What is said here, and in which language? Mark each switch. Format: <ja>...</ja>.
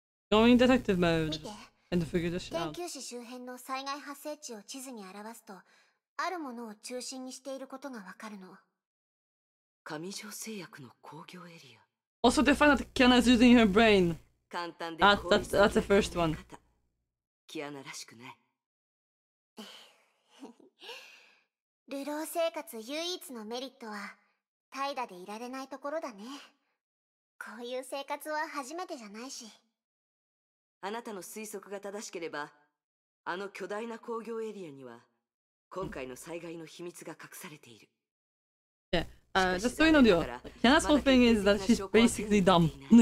<en>Going detective mode. And figure this out.</en> <ja>天球史周辺の災害発生地を地図に表すと。あるものを中心にしていることがわかるの。上条製薬の工業エリア。</ja> <en>Also, they find that Kiana is using her brain.</en> <ja>簡単で、</ja> <en>that's the first one.</en> <ja>キアナらしくない。流浪生活唯一のメリットは怠惰でいられないところだね。こういう生活は初めてじゃないし。あなたの推測が正しければ、あの巨大な工業エリアには。今回の災害の秘密が隠されている。</ja> <en>Yeah, just so you know, the Kiana's whole thing is that she's basically dumb.</en>